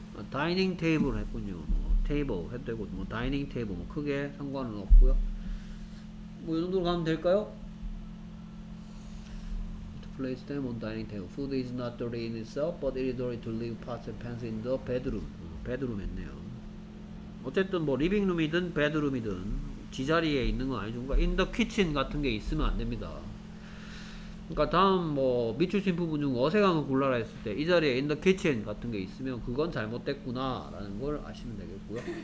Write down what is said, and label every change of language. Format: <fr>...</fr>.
<ko>다이닝 테이블 했군요. 뭐 테이블 해도 되고 뭐 다이닝 테이블 뭐 크게 상관은 없고요. 뭐이 정도로 가면 될까요?</ko> <en>To place them on dining table. Food is not dirty in itself, but it is dirty to leave pots and pans in the bedroom.</en> <ko>Bedroom 했네요. 어쨌든 뭐 리빙 룸이든 베드룸이든 지자리에 있는 건 아니죠. 그러니까</ko> <en>in the kitchen</en> <ko>같은 게 있으면 안 됩니다. 그러니까 다음 뭐 미추신 부분 중 어색한 거 골라라 했을 때이 자리에 in the kitchen 같은 게 있으면 그건 잘못됐구나 라는 걸 아시면 되겠고요.</ko>